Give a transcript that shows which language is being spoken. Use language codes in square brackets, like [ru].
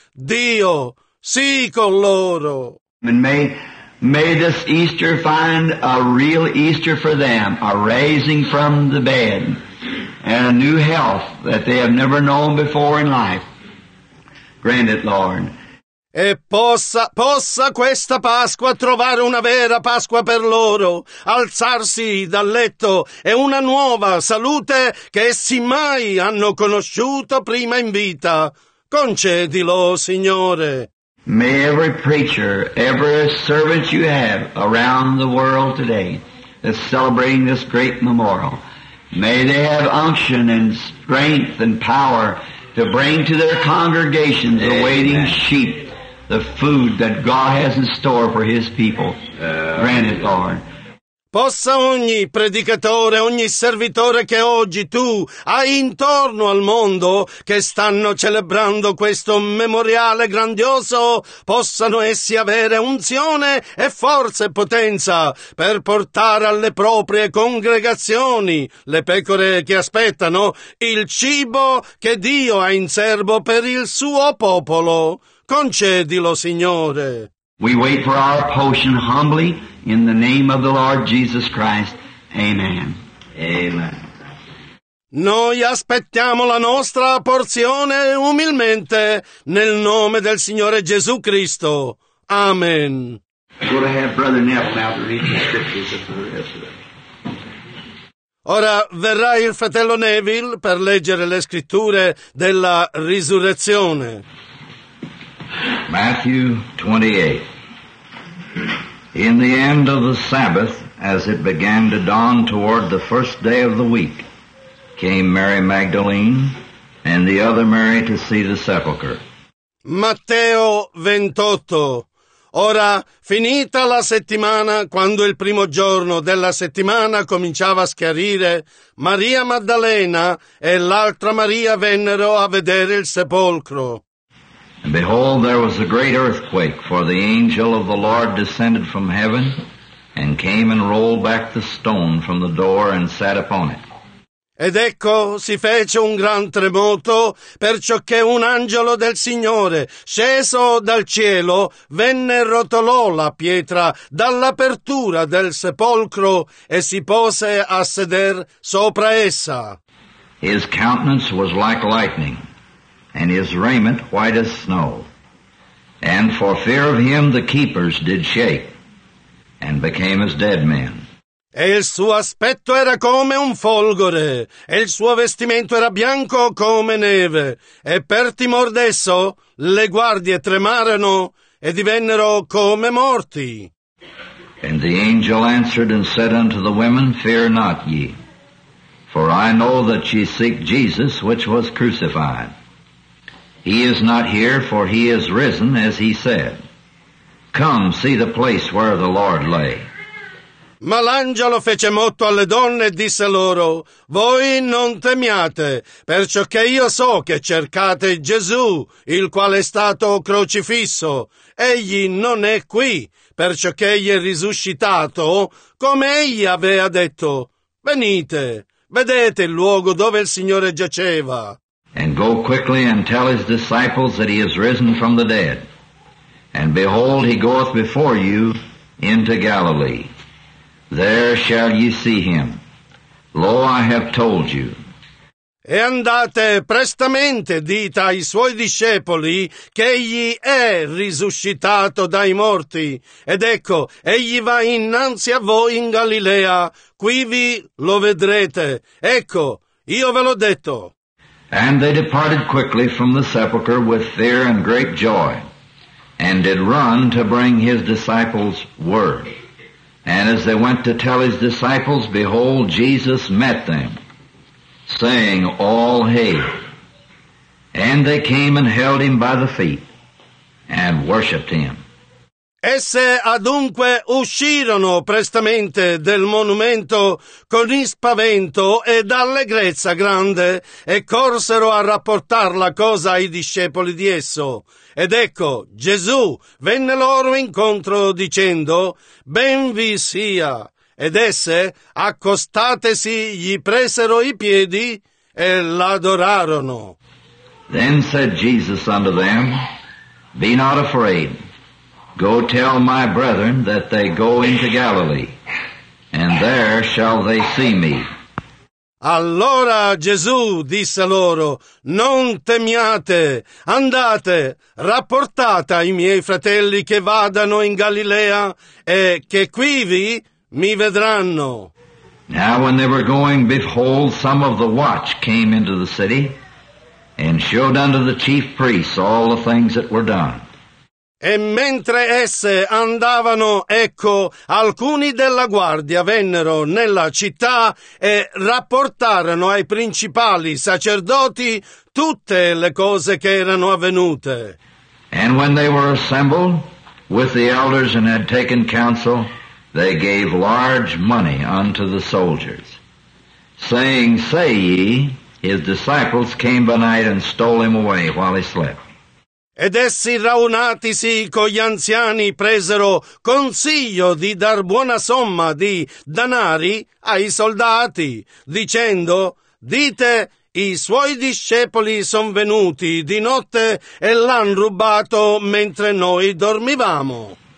[it] Dio, sii con loro. [en] And may this Easter find a real Easter for them, a raising from the bed, and a new health that they have never known before in life. Grant it, Lord. [it] E possa questa Pasqua trovare una vera Pasqua per loro, alzarsi dal letto e una nuova salute che essi mai hanno conosciuto prima in vita. Concedilo, Signore. [en] May every preacher, every servant you have around the world today that's celebrating this great memorial, may they have unction and strength and power to bring to their congregations, the waiting sheep, the food that God has in store for His people. Grant it, Lord. [it] Possa ogni predicatore, ogni servitore che oggi tu hai intorno al mondo che stanno celebrando questo memoriale grandioso, possano essi avere unzione e forza e potenza per portare alle proprie congregazioni, le pecore che aspettano, il cibo che Dio ha in serbo per il suo popolo. Concedilo, Signore. [en] We wait for our portion humbly. In the name of the Lord Jesus Christ, amen. Amen. [it] Noi aspettiamo la nostra porzione umilmente nel nome del Signore Gesù Cristo. Amen. [en] Go to have Brother Neff now to read the scriptures for the rest of it. [it] Ora verrà il fratello Neville per leggere le scritture della risurrezione. [en] Matthew 28. In the end of the Sabbath, as it began to dawn toward the first day of the week, came Mary Magdalene and the other Mary to see the sepulchre. [it] Matteo 28. Ora, finita la settimana, quando il primo giorno della settimana cominciava a schiarire, Maria Maddalena e l'altra Maria vennero a vedere il sepolcro. [en] And behold, there was a great earthquake, for the angel of the Lord descended from heaven and came and rolled back the stone from the door and sat upon it. [it] Ed ecco, si fece un gran tremoto, perciò che un angelo del Signore, sceso dal cielo, venne e rotolò la pietra dall'apertura del sepolcro e si pose a seder sopra essa. [en] His countenance was like lightning, and his raiment white as snow. And for fear of him the keepers did shake, and became as dead men. [it] E il suo aspetto era come un folgore, e il suo vestimento era bianco come neve, e per timor d'esso le guardie tremarono, e divennero come morti. [en] And the angel answered and said unto the women, Fear not ye, for I know that ye seek Jesus which was crucified. He is not here, for he is risen, as he said. Come, see the place where the Lord lay. [it] Ma l'angelo fece motto alle donne e disse loro, Voi non temiate, perciò che io so che cercate Gesù, il quale è stato crocifisso. Egli non è qui, perciò che egli è risuscitato, come egli aveva detto. Venite, vedete il luogo dove il Signore giaceva. [en] And go quickly and tell his disciples that he is risen from the dead. And behold, he goeth before you into Galilee. There shall ye see him. Lo, I have told you. [it] E andate prestamente, dite ai suoi discepoli, che egli è risuscitato dai morti. Ed ecco, egli va innanzi a voi in Galilea, quivi lo vedrete. Ecco, io ve l'ho detto. [en] And they departed quickly from the sepulchre with fear and great joy, and did run to bring his disciples word. And as they went to tell his disciples, behold, Jesus met them, saying, All hail. And they came and held him by the feet and worshipped him. [it] Esse adunque uscirono prestamente del monumento con spavento ed allegrezza grande e corsero a rapportar la cosa ai discepoli di esso. Ed ecco, Gesù venne loro incontro dicendo, Ben vi sia. Ed esse, accostatesi, gli presero i piedi e l'adorarono. [en] Then said Jesus unto them, Be not afraid. Go tell my brethren that they go into Galilee, and there shall they see me. [it] Allora Gesù disse loro, Non temiate, andate, rapportate ai miei fratelli che vadano in Galilea e che quivi mi vedranno. [en] Now when they were going, behold, some of the watch came into the city and showed unto the chief priests all the things that were done. [it] E mentre esse andavano, ecco, alcuni della guardia vennero nella città e rapportarono ai principali sacerdoti tutte le cose che erano avvenute. [en] And when they were assembled with the elders and had taken counsel, they gave large money unto the soldiers, saying, Say ye, his disciples came by night and stole him away while he slept. [it] Ed essi raunatisi con gli anziani presero consiglio di dar buona somma di danari ai soldati, dicendo, Dite, i suoi discepoli son venuti di notte e l'han rubato mentre noi dormivamo.